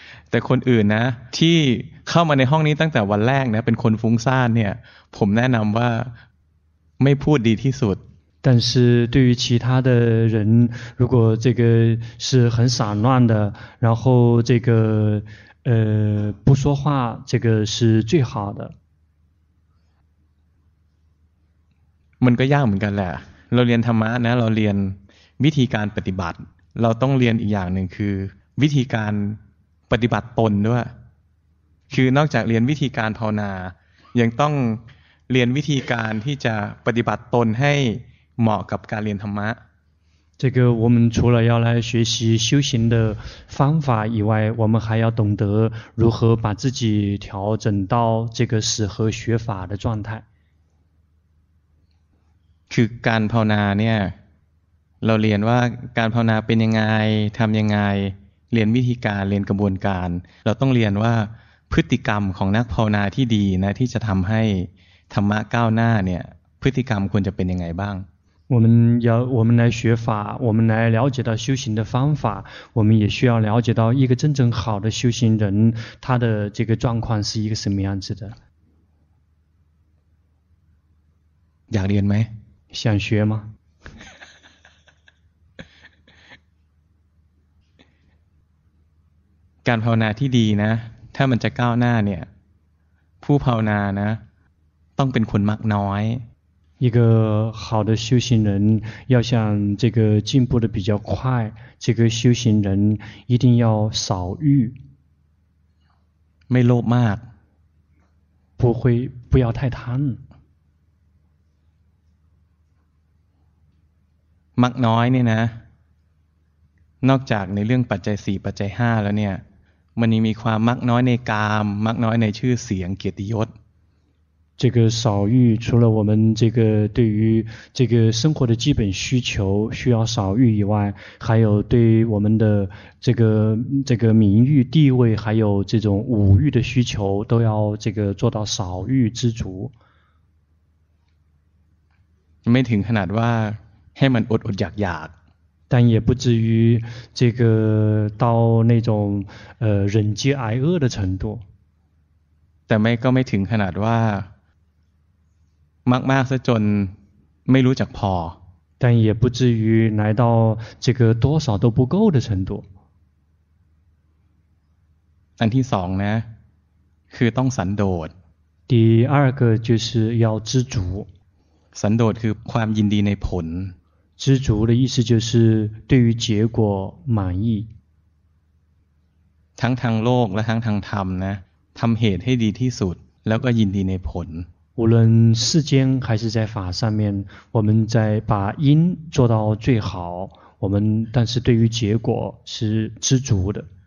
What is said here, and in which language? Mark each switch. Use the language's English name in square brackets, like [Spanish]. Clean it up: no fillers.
[Thai] แต่คนอื่นนะที่เข้ามาในห้องนี้ตั้งแต่วันแรกนะเป็นคนฟุ้งซ่านเนี่ยผมแนะนำว่าไม่พูดดีที่สุด [Chinese] 但是对于其他的人如果这个是很散乱的然后这个不说话这个是最好的 [Thai] มันก็ยากเหมือนกันแหละเราเรียนธรรมะนะเราเรียนวิธีการปฏิบัติเราต้องเรียนอีกอย่างหนึ่งคือวิธีการปฏิบัติตนด้วยคือนอกจากเรียนวิธีการภาวนายังต้องเรียนวิธีการที่จะปฏิบัติตนให้เหมาะกับการเรียนธรรมะ [Chinese] 这个我们除了要来学习修行的方法以外我们还要懂得如何把自己调整到这个适合学法的状态 [Thai] คือการภาวนาเนี่ยเราเรียนว่าการภาวนาเป็นยังไงทำยังไงเรียนวิธีการเรียนกระบวนการเราต้องเรียนว่าพฤติกรรมของนักภาวนาที่ดีนะที่จะทำให้ธรรมะก้าวหน้าเนี่ยพฤติกรรมควรจะเป็นยังไงบ้าง [Chinese] 我们来学法，我们来了解到修行的方法，我们也需要了解到一个真正好的修行人，他的这个状况是一个什么样子的。 [Thai] อยากเรียนไหม？ [Chinese] 想学吗？ [Thai] การภาวนาที่ดีนะ，ถ้ามันจะก้าวหน้าเนี่ย，ผู้ภาวนานะ，ต้องเป็นคนมักน้อย [Chinese] 一个好的修行人要想这个进步的比较快这个修行人一定要少欲 [Thai] ไม่โลภมาก [Chinese] 不会不要太贪 [Thai] มักน้อยเนี่ยนะนอกจากในเรื่องปัจจัย4ปัจจัย5แล้วเนี่ยมันยังมีความมักน้อยในกามมักน้อยในชื่อเสียงเกียรติยศ [Chinese] 这个少欲除了我们这个对于这个生活的基本需求需要少欲以外还有对于我们的这个名誉地位还有这种五欲的需求都要这个做到少欲知足 [Thai] 没ถึงขนาดว่าให้มันอดอยากอยาก [Chinese] 但也不至于这个到那种忍饥挨饿的程度 [Thai] แต่ไม่ก็ไม่ถึงขนาดว่ามากมากซะจนไม่รู้จักพอ [Chinese] 但也不至于来到这个多少都不够的程度 [Thai] อันที่สองนะคือต้องสันโดษ [Chinese] 第二个就是要知足 [Thai] สันโดษคือความยินดีในผล [Chinese] 知足的意思就是对于结果满意 [Thai] ทั้งทางโลกและทั้งทางธรรมนะทำเหตุให้ดีที่สุดแล้วก็ยินดีในผล [Chinese] 无论世间还是在法上面我们在把因做到最好我们但是对于结果是知足的